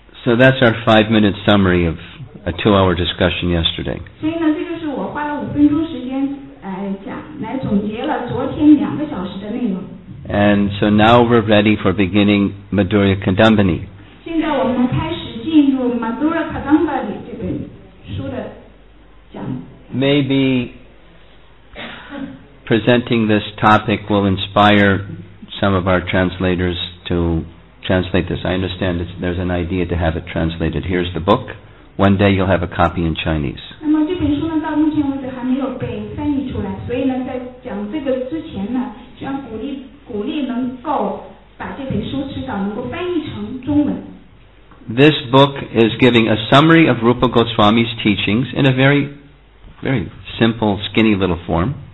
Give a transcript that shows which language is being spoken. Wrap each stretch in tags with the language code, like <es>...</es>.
<en>So that's our 5-minute summary of a 2-hour discussion yesterday.</en> <zh>所以呢，这就是我花了五分钟时间讲来总结了昨天两个小时的内容。</zh> <en>And so now we're ready for beginning Madhurya Kadambini.</en> <zh>现在我们开始进入 Madhurya Kadambini 这本书的讲。</zh> <en>Maybe presenting this topic will inspire some of our translators to translate this. I understand there's an idea to have it translated. Here's the book. One day you'll have a copy in Chinese.</en> <zh>那么这本书呢，到目前为止还没有被翻译出来，所以呢，在讲这个之前呢，希望鼓励能够把这本书至少能够翻译成中文。</zh> <en>This book is giving a summary of Rupa Goswami's teachings in a very, very simple, skinny little form.</en>